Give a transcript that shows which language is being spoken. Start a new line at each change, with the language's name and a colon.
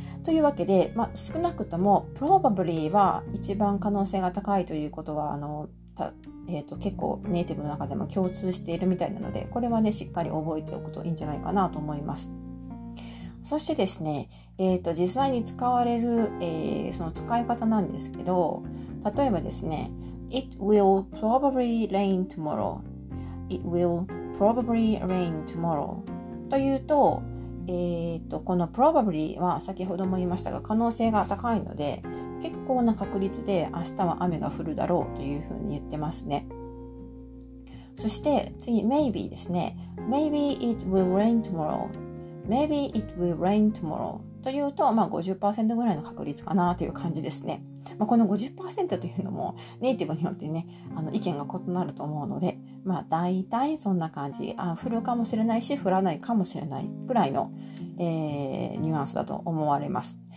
Japanese: というわけで、少なくとも probably は一番可能性が高いということは結構ネイティブの中でも共通しているみたいなので、これはね、しっかり覚えておくといいんじゃないかなと思います。そしてですね、実際に使われる、その使い方なんですけど、例えばですね、
English: It will probably rain tomorrow. It will probably rain tomorrow.
Japanese: というと、この probably は先ほども言いましたが、可能性が高いので、結構な確率で明日は雨が降るだろうというふうに言ってますね。そして次、maybe ですね。
English: Maybe it will rain tomorrow. Maybe it will rain tomorrow
Japanese: というと、50% ぐらいの確率かなという感じですね。この 50% というのもネイティブによってね、意見が異なると思うので、大体そんな感じ。降るかもしれないし、降らないかもしれないぐらいの、ニュアンスだと思われます。